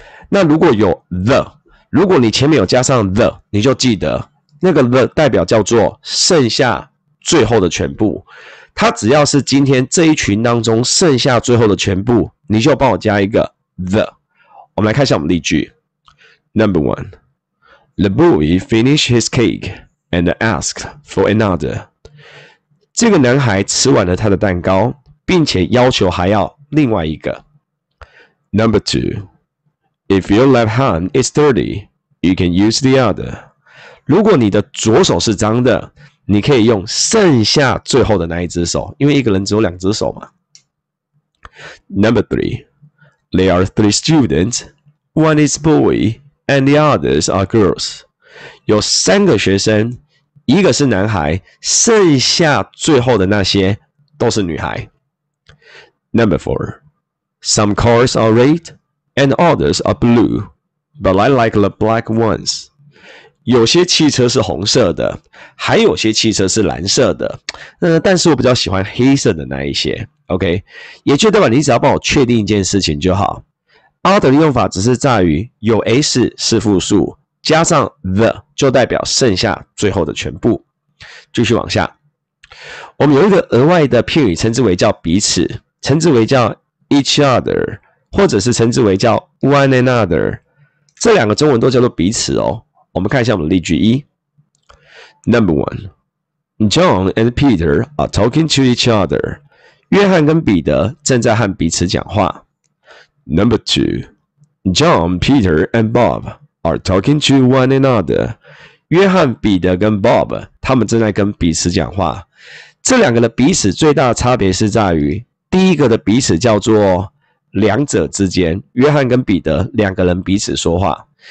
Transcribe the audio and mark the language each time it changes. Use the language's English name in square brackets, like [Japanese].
[Chinese] 那如果有 the, 如果你前面有加上 the, 你就记得那个 the 代表叫做剩下最后的全部。它只要是今天这一群当中剩下最后的全部，你就帮我加一个 the。我们来看一下我们例句。 [English] Number one, the boy finished his cake and asked for another. [Chinese] 这个男孩吃完了他的蛋糕，并且要求还要另外一个。 [English] Number two, if your left hand is dirty, you can use the other. [Chinese] 如果你的左手是脏的，你可以用剩下最后的那一只手，因为一个人只有两只手嘛。 [English] Number three,There are three students. One is boy, and the others are girls. [Chinese] 有三个学生，一个是男孩，剩下最后的那些都是女孩。 [English] Number four. Some cars are red, and others are blue, but I like the black ones. [Chinese] 有些汽车是红色的，还有些汽车是蓝色的，但是我比较喜欢黑色的那一些。 OK, 也就代表你只要帮我确定一件事情就好。 Other 的用法只是在于有 s 是复数，加上 the 就代表剩下最后的全部。继续往下，我们有一个额外的片语，称之为叫彼此，称之为叫 each other, 或者是称之为叫 one another, 这两个中文都叫做彼此哦。我们看一下我们的例句一。 [English] Number one, John and Peter are talking to each other. [Chinese] 约翰跟彼得正在和彼此讲话。 [English] Number two, John, Peter and Bob are talking to one another. [Chinese] 约翰、彼得跟 Bob 他们正在跟彼此讲话。这两个的彼此最大的差别是在于，第一个的彼此叫做两者之间，约翰跟彼得两个人彼此说话。